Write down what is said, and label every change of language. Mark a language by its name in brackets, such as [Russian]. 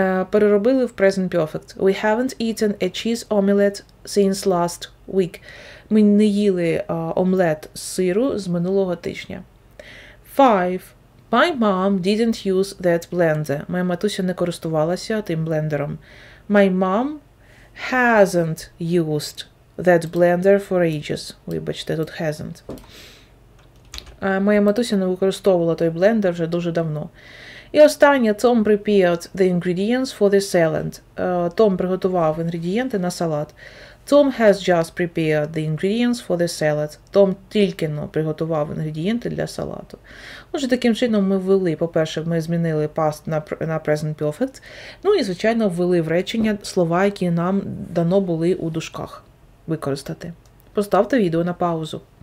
[Ukrainian] Переробили в [English] present perfect. We haven't eaten a cheese omelet since last week. [Ukrainian] Ми не їли омлет з сиру з минулого тижня. [English] Five. My mom didn't use that blender. [Ukrainian] Моя матуся не користувалася тим блендером. [English] My mom hasn't used that blender for ages. [Ukrainian] Вибачте, тут hasn't. Моя матуся не використовувала той блендер вже дуже давно. І останнє, [English] Tom prepared the ingredients for the salad. [Ukrainian] Tom приготував інгредієнти на салат. [English] Tom has just prepared the ingredients for the salad. [Ukrainian] Tom тільки-но приготував інгредієнти для салату. Отже, таким чином ми ввели, по-перше, ми змінили past на present perfect. Ну і, звичайно, ввели в речення слова, які нам дано були у дужках використати. Поставте відео на паузу.